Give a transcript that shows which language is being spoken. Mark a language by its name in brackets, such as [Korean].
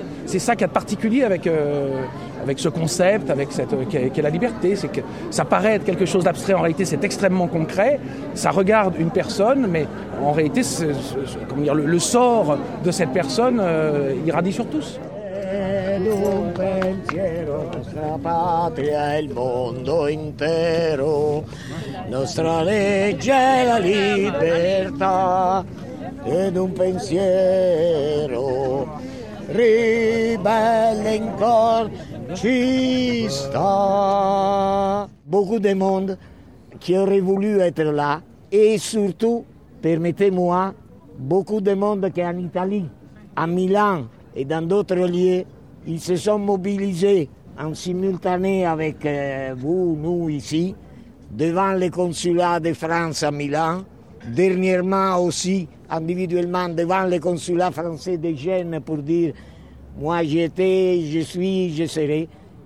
[French] C'est ça qu'il y a de particulier avec ce concept, avec qu'est la liberté. C'est que ça paraît être quelque chose d'abstrait. En réalité, c'est extrêmement concret. Ça regarde une personne, mais en réalité, le sort de cette personne irradie sur tous. [Italian] Un pensiero, nostra patria e il mondo intero, nostra legge è la libertà, ed un pensiero ribelle in cor ci sta. [French] Beaucoup de monde qui aurait voulu être là, et surtout, permettez-moi, beaucoup de monde qui est en Italie, à Milan et dans d'autres lieux. Ils se sont mobilisés en simultané avec vous, nous, ici, devant les consulats de France à Milan, dernièrement aussi, individuellement, devant les consulats français de Gênes pour dire « Moi, j'étais, je suis, je serai ».